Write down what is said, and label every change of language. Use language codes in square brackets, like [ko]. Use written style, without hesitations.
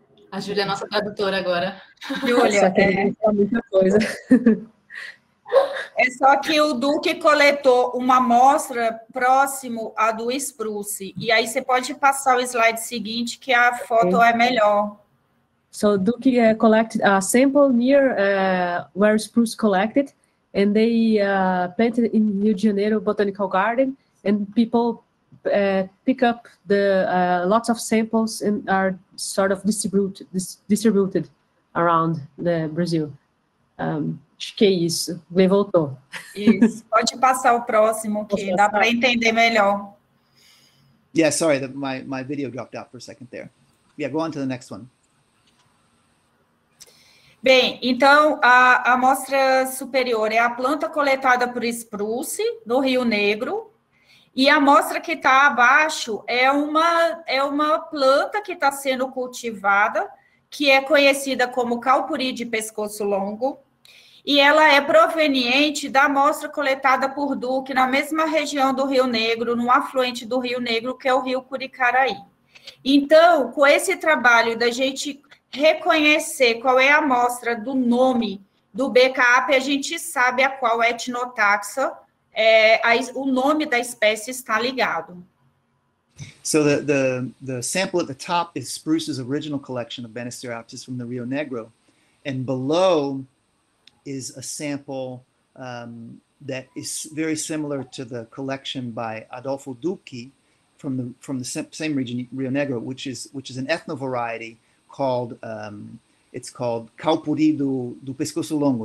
[pt] A Júlia é nossa tradutora agora. Só Júlia, que ele tem muita coisa. é só que o Duque coletou uma amostra próximo à do Spruce. E aí você pode passar o slide seguinte, que a foto é melhor. [en] So Duke collected a sample near where Spruce collected, and they planted in Rio de Janeiro Botanical Garden. And people pick up the lots of samples and are sort of distributed around the Brazil. [pt] Acho que é isso. Ele voltou. Isso, pode passar o próximo aqui, dá para entender melhor. [en] Yeah, sorry, my video dropped out for a second there. Yeah, go on to the next one. [pt] Bem, então a amostra superior é a planta coletada por Spruce, no Rio Negro, e a amostra que está abaixo é uma planta que está sendo cultivada, que é conhecida como calpuri de pescoço longo. E ela é proveniente da amostra coletada por Duque na mesma região do Rio Negro, no afluente do Rio Negro, que é o Rio Curicaraí. Então, com esse trabalho da gente reconhecer qual é a amostra do nome do BKAP, a gente sabe a qual etnotaxa o nome da espécie está ligado. [en] So the sample at the top is Spruce's original collection of Banisteriopsis from the Rio Negro, and below is a sample that is very similar to the collection by Adolfo Duque from the same region, Rio Negro, which is an ethno variety called it's called Calpuri do Pescoço Longo.